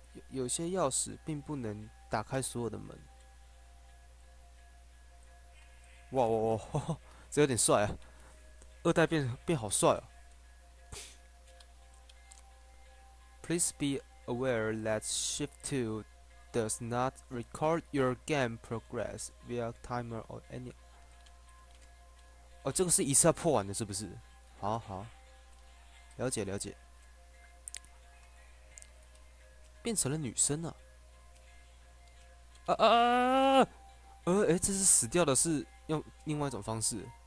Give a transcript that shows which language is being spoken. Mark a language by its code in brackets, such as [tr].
[zh] 有些钥匙并不能打开所有的门。哇哇哇！这有点帅啊，二代变好帅哦。 [en] Please be aware that Shift 2 does not record your game progress via timer or any。 [zh] 哦，这个是一次要破完的，是不是？好好，了解了解。变成了女生了。这是死掉的，是用另外一种方式。